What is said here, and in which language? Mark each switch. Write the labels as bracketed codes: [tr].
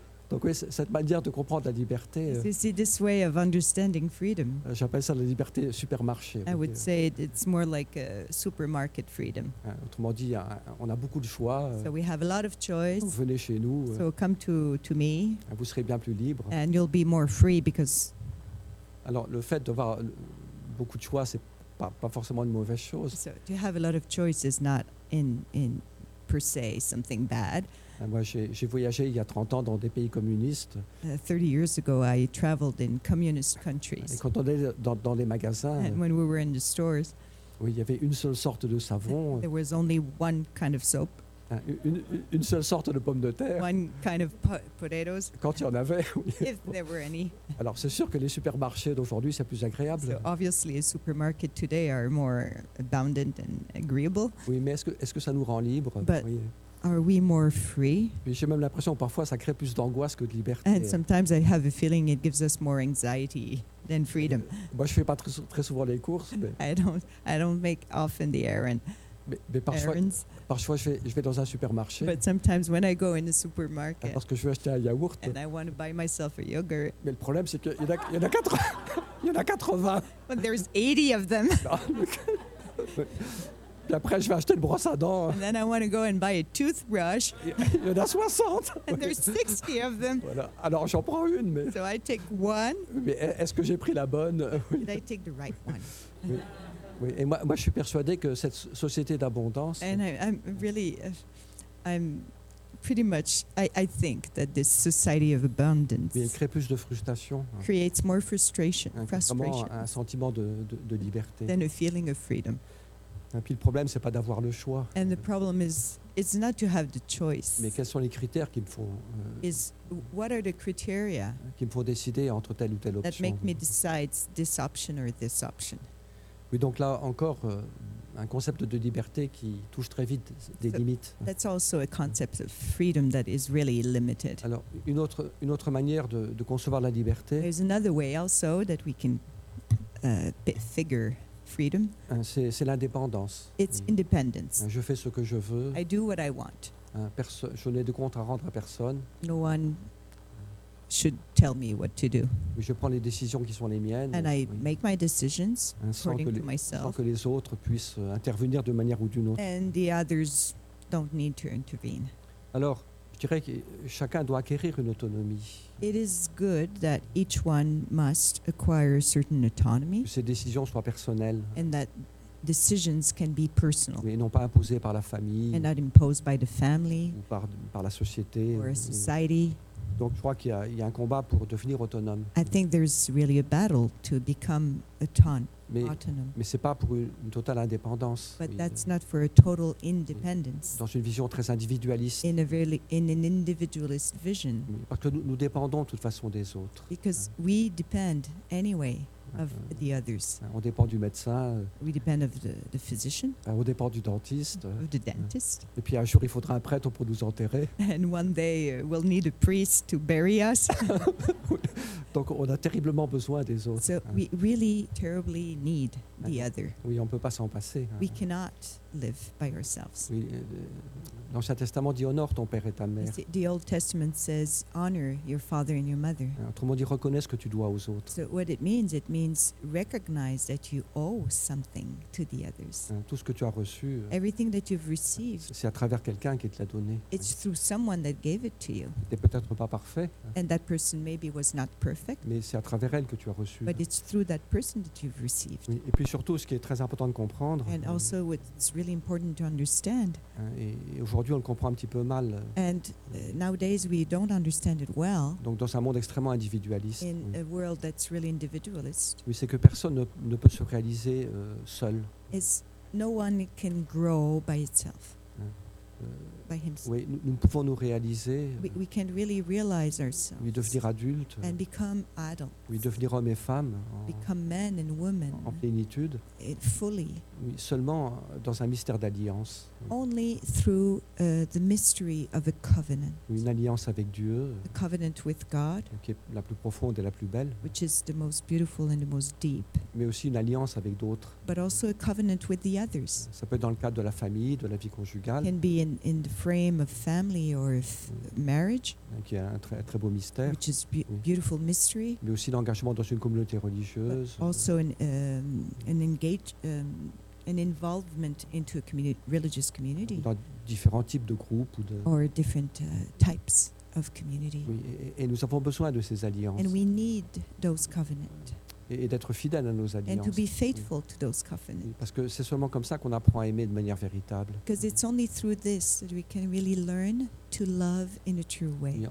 [fr] Donc oui, cette manière de comprendre la liberté. [en] This is this way of understanding freedom. [fr] J'appelle ça la liberté supermarché. [en] I would say it's more like a supermarket freedom. [fr] Autrement dit, on a beaucoup de choix. [en] So we have a lot of choice. [fr] Venez chez nous. [en] So come to me. [fr] Vous serez bien plus libre. [en] And you'll be more free because. [fr] Alors le fait d'avoir beaucoup de choix, c'est pas forcément une mauvaise chose. [en] So to have a lot of choice is not in per se something bad. [fr] Moi, j'ai voyagé il y a 30 ans dans des pays communistes. [en] 30 years ago, I traveled in communist countries. [fr] Et quand on est dans les magasins, [en] and when we were in the stores, [fr] oui, il y avait une seule sorte de savon. [en] There was only one kind of soap. [fr] Une seule sorte de pomme de terre. [en] One kind of potatoes. [fr] Quand il y en avait, oui. [en] If there were any. [fr] Alors, c'est sûr que les supermarchés d'aujourd'hui, c'est plus agréable. [en] So obviously, supermarkets today are more abundant and agreeable. [fr] Oui, mais est-ce que ça nous rend libres? [en] But [fr] oui. [en] Are we more free? [fr] J'ai même l'impression parfois ça crée plus d'angoisse que de liberté. [en] And sometimes I have a feeling it gives us more anxiety than freedom. [fr] Moi je fais pas très souvent les courses. Mais [en] I don't make often the errand. [fr] Mais parfois je vais dans un supermarché. [en] But sometimes when I go in a supermarket. [fr] Parce que je veux acheter un yaourt. [en] And I want to buy myself a yogurt. [fr] Mais le problème c'est qu'il y en a 80. Il y en a 80. [en] But there's 80 of them. [fr] Puis après, je vais acheter une brosse à dents. [en] And then I want to go and buy a toothbrush. [fr] Il y en a 60. [en] And there's 60 of them. [fr] Voilà. Alors, j'en prends une, mais... [en] So I take one. [fr] Mais est-ce que j'ai pris la bonne? [en] Did I take the right one? [fr] Oui. Oui. Et moi, je suis persuadé que cette société d'abondance... [en] And I'm pretty much, I think that this society of abundance [fr] crée plus de frustration, [en] creates more frustration, [fr] un sentiment de liberté, [en] than a feeling of freedom. [fr] Et puis le problème, c'est pas d'avoir le choix. [en] And the problem is, it's not to have the choice. [fr] Mais quels sont les critères qui me font? [en] Is what are the criteria [fr] qui me font décider entre telle ou telle option? [en] That make me decide this option or this option. [fr] Oui, donc là encore. Un concept de liberté qui touche très vite des limites. [en] That's also a concept of freedom that is really limited. [fr] Alors, une autre manière de concevoir la liberté. [en] There's another way also that we can figure freedom. [fr] C'est l'indépendance. [en] It's independence. [fr] Je fais ce que je veux. [en] I do what I want. [fr] Je n'ai de compte à rendre à personne. [en] No one should tell me what to do. [fr] Je prends les décisions qui sont les miennes. [en] And I make my decisions according to myself. [fr] Sans que les autres puissent intervenir de manière ou d'une autre. [en] And the others don't need to intervene. [fr] Alors, je dirais que chacun doit acquérir une autonomie. [en] It is good that each one must acquire a certain autonomy. [fr] Que ces décisions soient personnelles. [en] And that decisions can be personal. [fr] Et non pas imposées par la famille. [en] And not imposed by the family. [fr] Ou par la société. [en] Or a society. [fr] Donc, je crois qu'il y a un combat pour devenir autonome. [en] I think there's really a battle to become autonome. [fr] Mais c'est pas pour une totale indépendance. [en] But that's not for a total independence. [fr] Dans une vision très individualiste. [en] In an individualist vision. [fr] Parce que nous dépendons de toute façon des autres. [en] Because we depend anyway of the others. [fr] On dépend du médecin. [en] We depend of the physician. [fr] On dépend du dentiste. [en] Of the dentist. [fr] Et puis un jour, il faudra un prêtre pour nous enterrer. [en] And one day, we'll need a priest to bury us. [fr] Donc, on a terriblement besoin des autres. [en] So we really terribly need the other. [fr] Oui, on peut pas s'en passer. [en] We cannot live by ourselves. [fr] Oui, l'Ancien Testament dit honore ton père et ta mère. [en] The Old Testament says honor your father and your mother. [fr] Autrement dit, reconnais ce que tu dois aux autres. [en] So what it means recognize that you owe something to the others. [fr] Tout ce que tu as reçu. [en] Everything that you've received. [fr] C'est à travers quelqu'un qui te l'a donné. [en] It's through someone that gave it to you. [fr] T'es peut-être pas parfait. [en] And that person maybe was not perfect. [fr] Mais c'est à travers elle que tu as reçu. [en] But it's through that person that you've received. [fr] Et puis surtout, ce qui est très important de comprendre. [en] And also what's really important to understand. [fr] Aujourd'hui, on le comprend un petit peu mal. [en] And nowadays, we don't understand it well. [fr] Donc, dans un monde extrêmement individualiste. [en] In a world that's really individualist. [fr] Oui, c'est que personne ne peut se réaliser seul. [en] It's no one can grow by itself. By himself. [fr] Oui, nous pouvons nous réaliser. [en] We can really realize ourselves. [fr] Oui, devenir adulte. [en] And become adults. [fr] Oui, devenir homme et femme. [en] Become men and women. [fr] En plénitude. [en] Fully. [fr] Oui, seulement dans un mystère d'alliance. [en] Only through the mystery of a covenant. [fr] Oui, une alliance avec Dieu. [en] A covenant with God. [fr] Qui est la plus profonde et la plus belle. [en] Which is the most beautiful and the most deep. [fr] Mais aussi une alliance avec d'autres. [en] But also a covenant with the others. [fr] Ça peut être dans le cadre de la famille, de la vie conjugale. [en] Can be in the frame of family or of marriage. [fr] Qui est un très, très beau mystère. [en] Which is beautiful mystery. [fr] Mais aussi l'engagement dans une communauté religieuse. [en] But also an involvement into a religious community. [fr] Dans différents types de groupes ou de. [en] Or different types of community. [fr] Oui, et nous avons besoin de ces alliances. [en] And we need those covenants. [fr] Et d'être fidèle à nos alliances. [en] And to be faithful to those covenants. [fr] Parce que c'est seulement comme ça qu'on apprend à aimer de manière véritable. [en] Because it's only through this that we can really learn to love in a true way.